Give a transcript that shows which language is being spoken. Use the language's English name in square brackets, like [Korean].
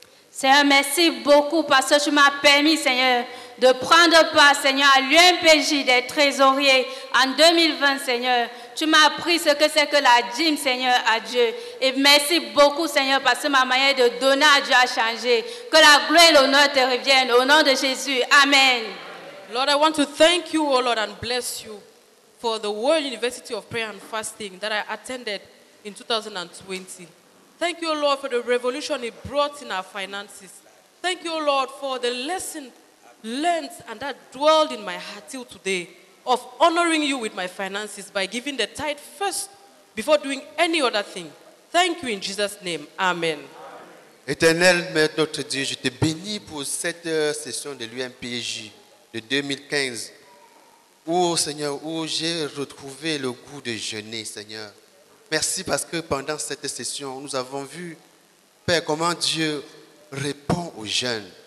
[French] Seigneur, merci beaucoup parce que tu m'as permis, Seigneur, de prendre part, Seigneur, à l'UMPJ des trésoriers en 2020, Seigneur. Tu m'as appris ce que c'est que la dîme, Seigneur, à Dieu. Et merci beaucoup, Seigneur, parce que ma manière de donner à Dieu a changé. Que la gloire et l'honneur te reviennent. Au nom de Jésus. Amen. [English] Lord, I want to thank you, O Lord, and bless you for the World University of Prayer and Fasting that I attended in 2020. Thank you, O Lord, for the revolution it brought in our finances. Thank you, O Lord, for the lesson learned and that dwelled in my heart till today of honoring you with my finances by giving the tithe first before doing any other thing. Thank you in Jesus' name. Amen. [French] Éternel, Mère notre Dieu, je te bénis pour cette session de l'UMPJ de 2015. Oh Seigneur, où j'ai retrouvé le goût de jeûner, Seigneur. Merci parce que pendant cette session, nous avons vu, Père, comment Dieu répond aux jeûnes.